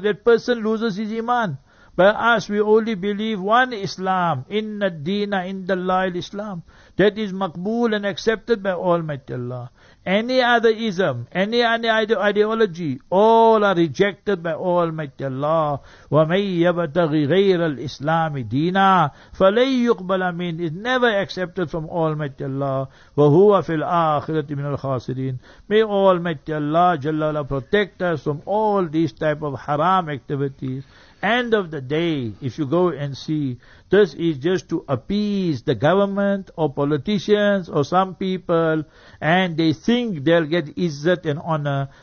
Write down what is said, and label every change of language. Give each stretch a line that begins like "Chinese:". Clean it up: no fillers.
English: That person loses his iman. But us, we only believe one Islam.
Arabic: Inna deena inda Allah al-Islam.
English: That is maqbool and accepted by Almighty Allah. Any other ism, any ideology, all are rejected by Almighty Allah.
Arabic: وَمَنْ يَبْتَغِ غَيْرَ الْإِسْلَامِ دِينًا فَلَيْ يُقْبَلَ مِنْ
English: is never accepted from Almighty Allah.
Arabic: وَهُوَ فِي الْآخِرَةِ مِنَ الْخَاسِرِينَ
English: May Almighty Allah جل الله, protect us from all these type of haram activities. End of the day, if you go and see, this is just to appease the government or politicians or some people, and they think they'll get izzat and honor.